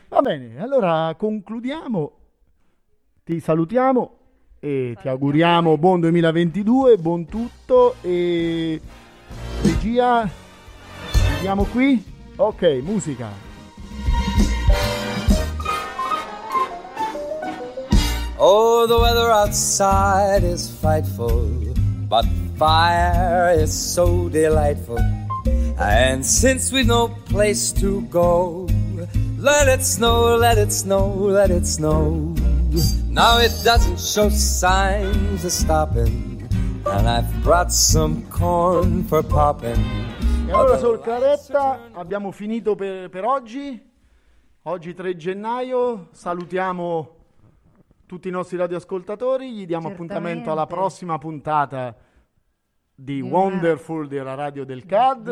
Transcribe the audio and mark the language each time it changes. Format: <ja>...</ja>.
<it>Va bene, allora concludiamo, ti salutiamo e ti auguriamo buon 2022, buon tutto e regia, vediamo qui, ok, musica.</it> <en>Oh, the weather outside is frightful, but fire is so delightful, and since we've no place to go, let it snow, let it snow, let it snow. Now it doesn't show signs of stopping, and I've brought some corn for popping.</en> <it>E allora, Sor Claretta, abbiamo finito per oggi. Oggi 3 gennaio, salutiamo tutti i nostri radioascoltatori, gli diamo appuntamento alla prossima puntata di Wonderful della Radio del CAD.</it>